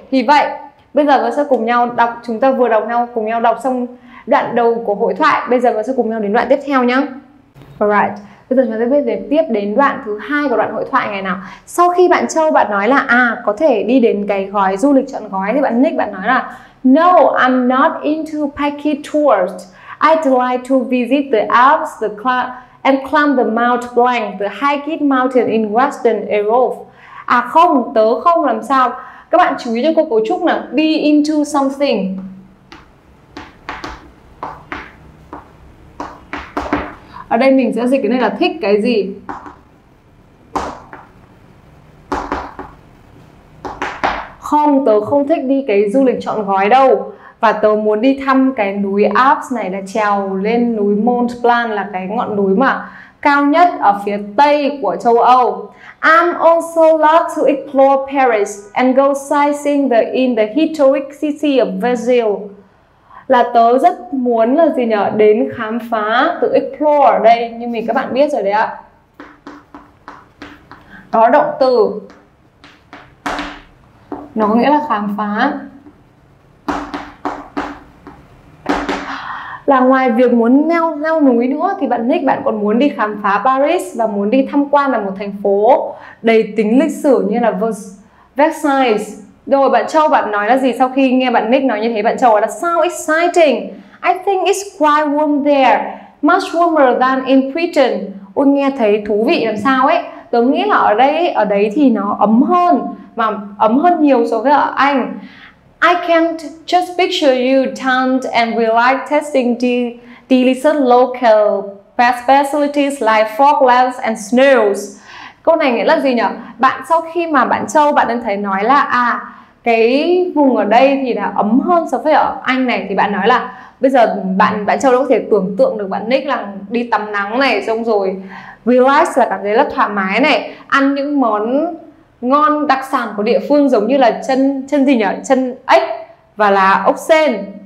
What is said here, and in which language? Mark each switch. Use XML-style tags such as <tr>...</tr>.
<vi>Thì vậy, bây giờ tôi sẽ cùng nhau đọc, chúng ta vừa đọc nhau, cùng nhau đọc xong đoạn đầu của hội thoại. Bây giờ tôi sẽ cùng nhau đến đoạn tiếp theo nhé. Alright. Bây giờ chúng ta biết tiếp đến đoạn thứ hai của đoạn hội thoại ngày nào. Sau khi bạn Châu bạn nói là có thể đi đến cái gói du lịch trọn gói, thì bạn Nick bạn nói là</vi> <en>no, I'm not into packet tours. I'd like to visit the Alps, the and climb the Mount Blanc, the highest mountain in Western Europe.</en> <vi>À không, tớ không làm sao. Các bạn chú ý cho cô cấu trúc nào.</vi> <en>Be into something.</en> <vi>Ở đây mình sẽ dịch cái này là thích cái gì. Không, tớ không thích đi cái du lịch trọn gói đâu. Và tớ muốn đi thăm cái núi Alps này, là trèo lên núi Mont Blanc, là cái ngọn núi mà cao nhất ở phía tây của châu Âu.</vi> <en>I'm also love to explore Paris and go sightseeing in the historic city of Versailles.</en> <vi>Là tớ rất muốn là gì nhở, đến khám phá, tự explore ở đây. Như mình các bạn biết rồi đấy ạ, đó động từ, nó có nghĩa là khám phá. Là ngoài việc muốn leo núi nữa, thì bạn Nick bạn còn muốn đi khám phá Paris và muốn đi tham quan là một thành phố đầy tính lịch sử như là Versailles. Rồi bạn Châu bạn nói là gì sau khi nghe bạn Nick nói như thế? Bạn Châu nói là sao exciting.</vi> <en>I think it's quite warm there. Much warmer than in Britain.</en> <vi>Ôi nghe thấy thú vị làm sao ấy. Tớ nghĩ là ở đấy thì nó ấm hơn, mà ấm hơn nhiều so với ở Anh.</vi> <en>I can't just picture you tanned and relax tasting delicious local specialties like frog legs and snails.</en> <vi>Câu này nghĩa là gì nhỉ? Bạn sau khi mà bạn Châu bạn đang thấy nói là cái vùng ở đây thì là ấm hơn so với ở Anh này, thì bạn nói là bây giờ bạn Châu đã có thể tưởng tượng được bạn Nick là đi tắm nắng này, xong rồi relax là cảm thấy rất thoải mái này, ăn những món ngon đặc sản của địa phương giống như là chân ếch và là ốc sên.</vi>